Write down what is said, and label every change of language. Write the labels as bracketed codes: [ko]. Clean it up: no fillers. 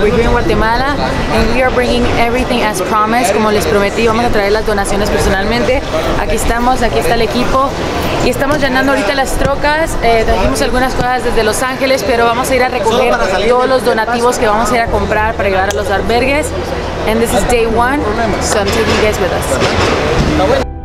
[en] We're here in Guatemala and we are bringing everything as promised. [es] Como les prometí, vamos a traer las donaciones personalmente. Aquí estamos, aquí está el equipo y estamos llenando ahorita las trocas. Trajimos algunas cosas desde Los Ángeles, pero vamos a ir a recoger todos los donativos que vamos a ir a comprar para llevar a los albergues. [en] And this is day one, so I'm taking you guys with us.